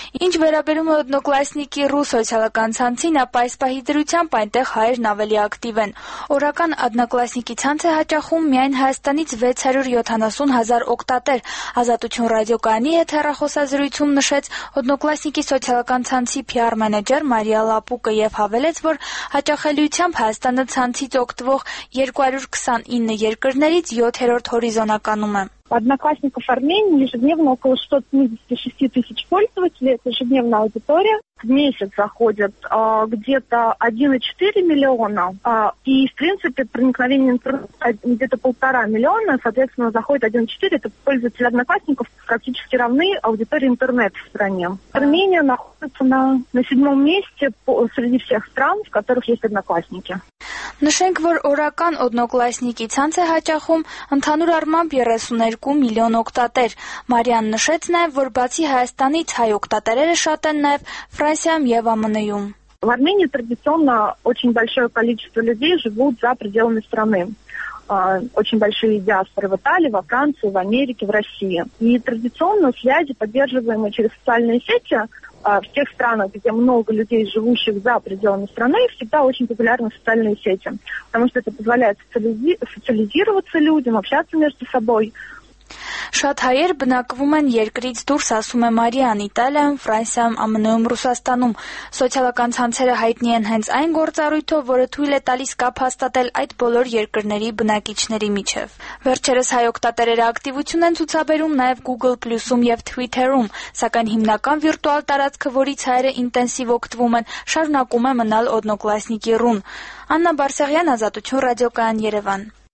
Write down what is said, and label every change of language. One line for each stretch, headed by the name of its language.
Armenian: Ինչ վերաբերում է Odnoklassniki ռուս սոցիալական ցանցին, ապա այս պահի դրությամբ այնտեղ հայերն ավելի ակտիվ են։ Օրական Odnoklassniki ցանց է հաճախում միայն Հայաստանից 670,000 օգտատեր։ Ազատություն ռադիոկայանի հետ հեռախոսազրույցում նշեց Odnoklassniki սոցիալական ցանցի PR մենեջեր Մարիա Լապուկը եւ հավելեց, որ հաճախելիությամբ Հայաստանը ցանցից օգտվող 229 երկրներից 7-րդ հորիզոնականում է։
Russian: Одноклассников Армении ежедневно около 176 тысяч пользователей, это ежедневная аудитория. В месяц заходят где-то 1,4 миллиона, и в принципе проникновение интернета где-то 1,5 миллиона, соответственно, заходит 1,4, это пользователи Одноклассников практически равны аудитории интернета в стране. Армения находится на 7-м месте среди всех стран, в которых есть Одноклассники.
Armenian: Նշենք, որ օրական Odnoklassniki ցանց է հաճախում ընդհանուր առմամբ 32 միլիոն օգտատեր։ Մարիան նշեց նաև, որ բացի Հայաստանից հայ օգտատերերը շատ են նաև Ֆրանսիայում եւ ԱՄՆ-ում։
Russian: В Армении традиционно очень большое количество людей живут за пределами страны. Очень большие диаспоры в Италии, во Франции, в Америке, в России. И традиционно связи, поддерживаемые через социальные сети, в тех странах, где много людей, живущих за пределами страны, всегда очень популярны социальные сети, потому что это позволяет социализироваться людям, общаться между собой.
Armenian: Շատ հայեր բնակվում են երկրից դուրս, ասում է Մարիան, Իտալիայում, Ֆրանսիայում, ԱՄՆ-ում, Ռուսաստանում։ Սոցիալական ցանցերը հայտնի են հենց այն գործառույթով, որը թույլ է տալիս կապ հաստատել այդ բոլոր երկրների բնակիչների միջև։ Վերջերս հայ օգտատերերը ակտիվություն են ցուցաբերում նաև Google Plus-ում եւ Twitter-ում, սակայն հիմնական վիրտուալ տարածքը, որից հայերը ինտենսիվ օգտվում են, շարունակում է մնալ Odnoklassniki Run։ Աննա Բարսեղյան, Ազատություն ռադիոկայան, Երևան։